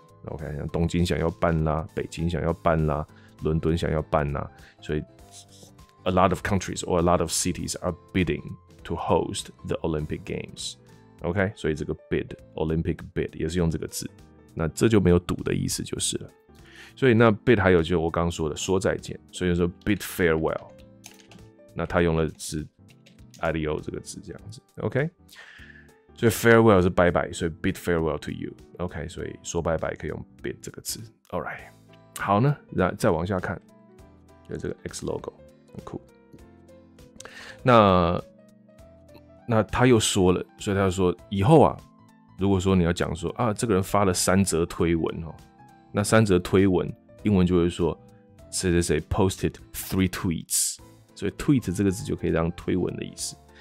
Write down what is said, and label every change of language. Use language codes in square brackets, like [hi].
[en] OK， [zh] 像东京想要办啦，北京想要办啦，伦敦想要办啦，所以 [en] a lot of countries or a lot of cities are bidding to host the Olympic Games。 [zh] OK， 所以这个 bid Olympic bid 也是用这个字，那这就没有赌的意思就是了。所以那 bid 还有就是我刚说的说再见，所以说 bid farewell， 那他用的是 adio 这个字这样子。 OK， 所以 farewell 是拜拜，所以 [en] bid farewell to you。 [zh] OK， 所以说拜拜可以用 bid 这个字。All right， 好呢，那再往下看，有这个 X logo 很酷。那他又说了，所以他就说以后啊，如果说你要讲说啊，这个人发了三则推文哦，那三则推文英文就会说谁谁谁 [en] posted three tweets， [zh] 所以 tweet 这个字就可以当推文的意思。